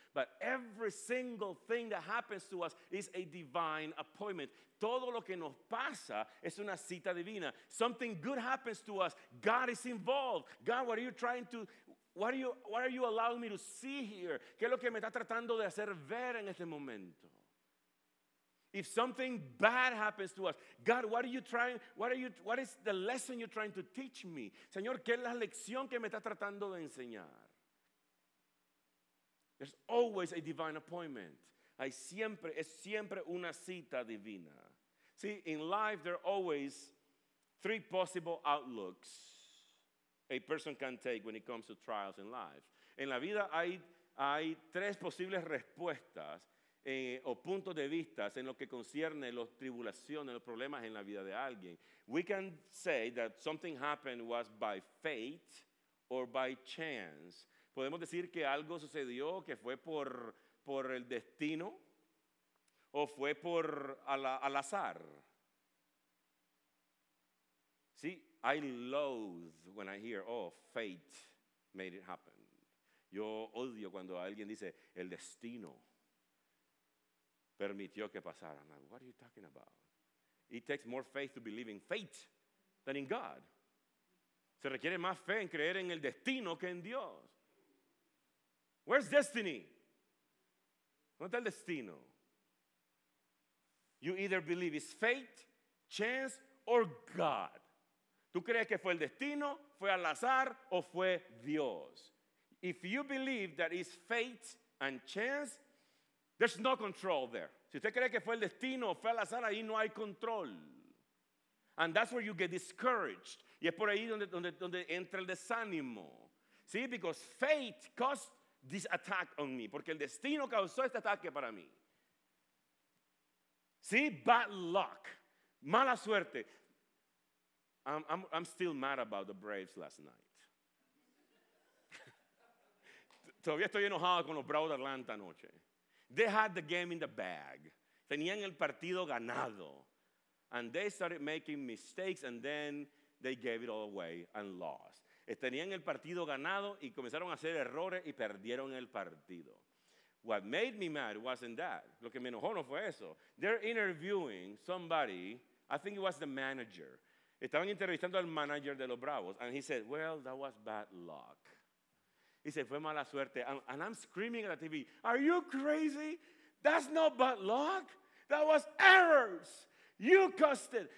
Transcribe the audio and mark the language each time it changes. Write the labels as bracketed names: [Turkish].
[English] But every single thing that happens to us is a divine appointment. [Spanish] Todo lo que nos pasa es una cita divina. [English] Something good happens to us. God is involved. God, what are you allowing me to see here? [Spanish] ¿Qué es lo que me está tratando de hacer ver en este momento? [English] If something bad happens to us, God, what is the lesson you're trying to teach me? [Spanish] Señor, ¿qué es la lección que me está tratando de enseñar? [English] There's always a divine appointment. [Spanish] Es siempre una cita divina. [English] See, in life there are always three possible outlooks a person can take when it comes to trials in life. [Spanish] En la vida hay tres posibles respuestas o puntos de vista en lo que concierne las tribulaciones, los problemas en la vida de alguien. [English] We can say that something happened was by fate or by chance. [Spanish] Podemos decir que algo sucedió que fue por el destino o fue por al azar. [English] See, I loathe when I hear, oh, fate made it happen. [Spanish] Yo odio cuando alguien dice, el destino permitió que pasara. [English] I'm like, what are you talking about? It takes more faith to believe in fate than in God. [Spanish] Se requiere más fe en creer en el destino que en Dios. [English] Where's destiny? [Spanish] ¿Dónde está el destino? [English] You either believe it's fate, chance, or God. [Spanish] ¿Tú crees que fue el destino, fue al azar, o fue Dios? [English] If you believe that it's fate and chance, there's no control there. [Spanish] Si usted cree que fue el destino o fue al azar, ahí no hay control. [English] And that's where you get discouraged. [Spanish] Y es por ahí donde entra el desánimo. [English] See, because fate caused this attack on me. [Spanish] Porque el destino causó este ataque para mí. [English] See, bad luck. [Spanish] Mala suerte. [English] I'm still mad about the Braves last night. [Spanish] Todavía estoy enojado con los Bravos de Atlanta anoche. [English] They had the game in the bag. [Spanish] Tenían el partido ganado. [English] And they started making mistakes and then they gave it all away and lost. [Spanish] Tenían el partido ganado y comenzaron a hacer errores y perdieron el partido. [English] What made me mad wasn't that. [Spanish] Lo que me enojó no fue eso. [English] They're interviewing somebody, I think it was the manager. [Spanish] Estaban entrevistando al manager de los Bravos. [English] And he said, well, that was bad luck. He said, [Spanish] fue mala suerte. [English] And I'm screaming at the TV, are you crazy? That's not bad luck. That was errors. You cussed it.